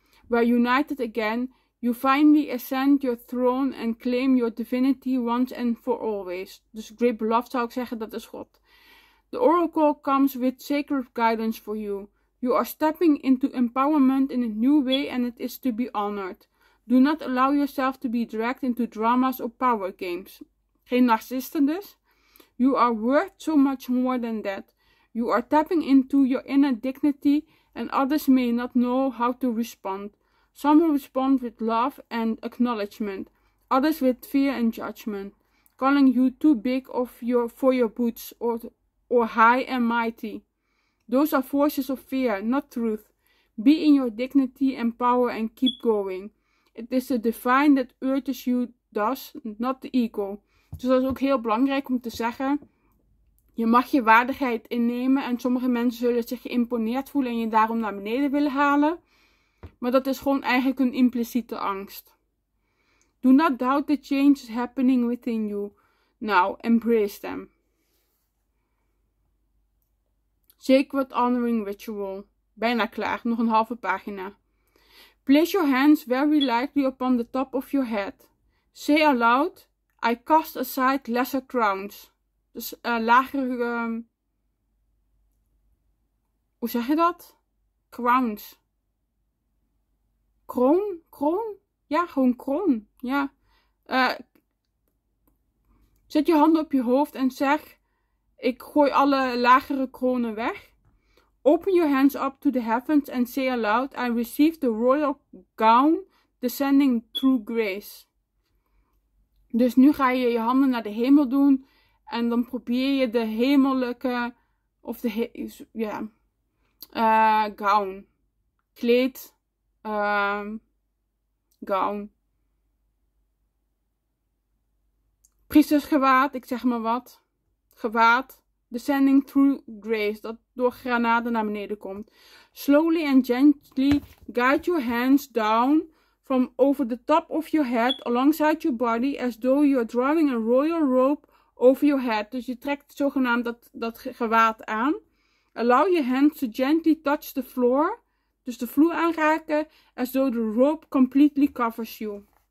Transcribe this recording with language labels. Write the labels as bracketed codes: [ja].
[en] Where united again, you finally ascend your throne and claim your divinity once and for always. [nl] Dus [en] great beloved [nl] zou ik zeggen, dat is God. [en] The oracle comes with sacred guidance for you. You are stepping into empowerment in a new way and it is to be honored. Do not allow yourself to be dragged into dramas or power games. [nl] Geen narcisten dus. [en] You are worth so much more than that. You are tapping into your inner dignity and others may not know how to respond. Some will respond with love and acknowledgement. Others with fear and judgment. Calling you too big for your boots or high and mighty. Those are forces of fear, not truth. Be in your dignity and power and keep going. It is the divine that urges you thus, not the ego. [nl] Dus dat is ook heel belangrijk om te zeggen. Je mag je waardigheid innemen en sommige mensen zullen zich geïmponeerd voelen en je daarom naar beneden willen halen. Maar dat is gewoon eigenlijk een impliciete angst. [en] Do not doubt the changes happening within you. Now, embrace them. Sacred honoring ritual. [nl] Bijna klaar, nog een halve pagina. [en] Place your hands very lightly upon the top of your head. Say aloud, I cast aside lesser crowns. [nl] Dus hoe zeg je dat? Crowns. Kroon? Kroon? Ja, gewoon kroon. Ja. Zet je handen op je hoofd en zeg, ik gooi alle lagere kronen weg. [en] Open your hands up to the heavens and say aloud, I receive the royal gown descending through grace. [nl] Dus nu ga je je handen naar de hemel doen en dan probeer je de hemelijke, of de, ja, Gown. Kleed. [en] Gown. [nl] Priestersgewaad, ik zeg maar wat. Gewaad. [en] Descending through grace, [nl] dat door genade naar beneden komt. [en] Slowly and gently guide your hands down from over the top of your head alongside your body as though you are drawing a royal robe over your head. [nl] Dus je trekt zogenaamd dat gewaad aan. [en] Allow your hands to gently touch the floor, [nl] dus de vloer aanraken, [en] as though the robe completely covers you.